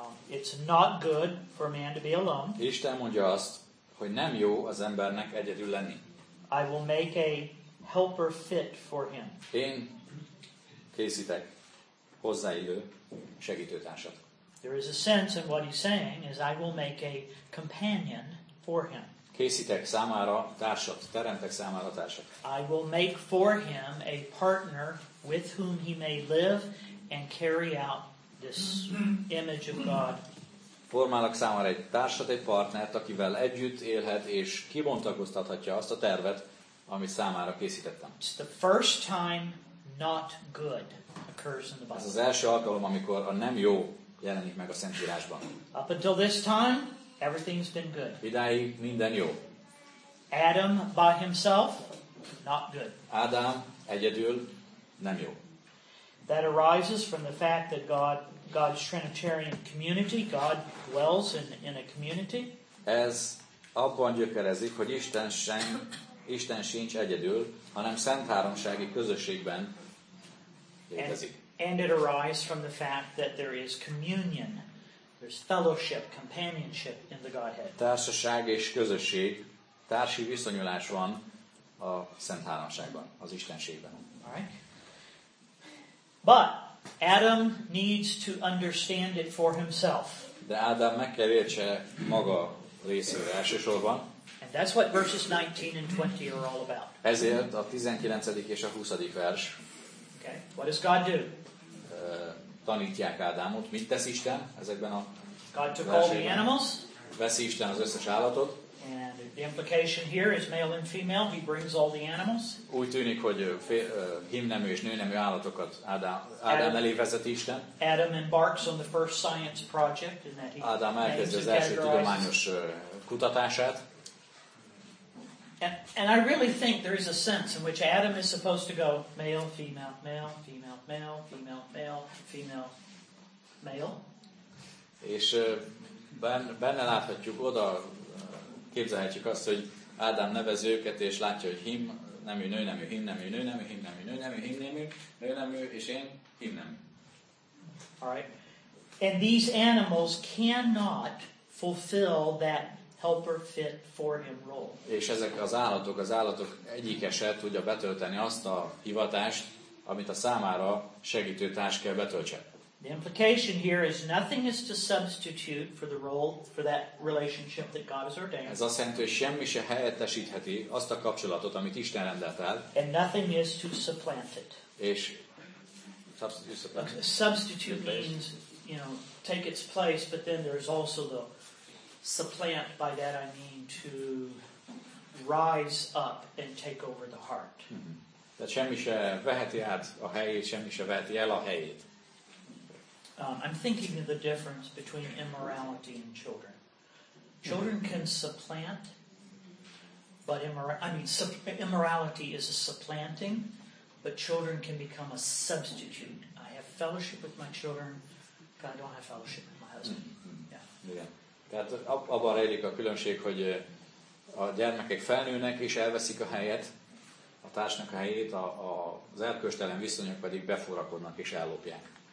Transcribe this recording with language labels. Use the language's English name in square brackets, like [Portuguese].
[English] It's not good for man to be alone. [Hungarian] Isten mondja azt, hogy nem jó az embernek egyedül lenni. [English] I will make a helper fit for him. [Hungarian] Én készítek hozzáillő segítőtársat. [English] There is a sense in what he's saying is I will make a companion for him. [Hungarian] Készítek számára társat, teremtek számára társat. [English] I will make for him a partner with whom he may live and carry out this image of God. [Hungarian] Formálok számára egy társat, egy partnert, akivel együtt élhet és kibontakoztathatja azt a tervet, amit számára készítettem. [English] It's the first time not good occurs in the Bible. [Hungarian] Ez az első alkalom, amikor a nem jó jelenik meg a Szentírásban. [English] Up until this time, everything's been good. [Hungarian] Idáig minden jó. [English] Adam by himself, not good. [Hungarian] Ádám egyedül, nem jó. [English] That arises from the fact that God's Trinitarian community, God dwells in a community. [Hungarian] Ez abban gyökerezik, hogy Isten sincs egyedül, hanem szent háromsági közösségben létezik. [English] And it arises from the fact that there is communion, there's fellowship, companionship in the Godhead. [Hungarian] Társaság és közösség, társi viszonyulás van a szent háromságban, az Istenségben. [English] But Adam needs to understand it for himself. [Hungarian] De Ádám meg kell értse maga részéről elsősorban. [English] And that's what verses 19 and 20 are all about. [Hungarian] Ezért a 19. és a 20. vers. [English] Okay. What does God do? [Hungarian] tanítják Ádámot, mit tesz Isten ezekben a [English] God took all the animals. [Hungarian] Veszi Isten az összes állatot. [English] And the implication here is male and female. He brings all the animals. [Hungarian] Úgy tűnik, hogy hímnemű és nőnemű állatokat Ádám elé vezet Isten. [English] Adam embarks on the first science project, and that he [Hungarian] Ádám elkezdi az első tudományos kutatását. [English] And I really think there is a sense in which Adam is supposed to go male, female, male, female, male, female, male, female, male. [Hungarian] És benne láthatjuk oda, képzelhetjük azt, hogy Ádám nevezi őket, és látja, hogy hím, nemű, nő, nemű, hím, nemű, nő, nemű, hím, nemű, nő, nemű, hím, nemű, nő, nemű, és én, hím, nemű. [English] Alright. And these animals cannot fulfill that helper fit for him role. [Hungarian] És ezek az állatok egyike se tudja betölteni azt a hivatást, amit a számára segítő társ kell betöltse. [English] The implication here is nothing is to substitute for the role for that relationship that God has ordained. [Hungarian] Ez azt jelenti, hogy semmi se helyettesítheti azt a kapcsolatot, amit Isten rendelt el. [English] And nothing is to supplant it. [Hungarian] És substitute. [English] Substitute means, you know, take its place, but then there's also the supplant. By that I mean to rise up and take over the heart. Mm-hmm. [Hungarian] Tehát semmi se veheti át a helyét, semmi se veheti el a helyét. [English] I'm thinking of the difference between immorality and children. Children can supplant, but immorality is a supplanting, but children can become a substitute. I have fellowship with my children, but I don't have fellowship with my husband. Yeah. [Hungarian] Igen. Tehát abban rejlik a különbség, hogy a gyermekek felnőnek és elveszik a helyet, a társnak a helyét, az erkölcstelen viszonyok pedig beforrakodnak és ellopják.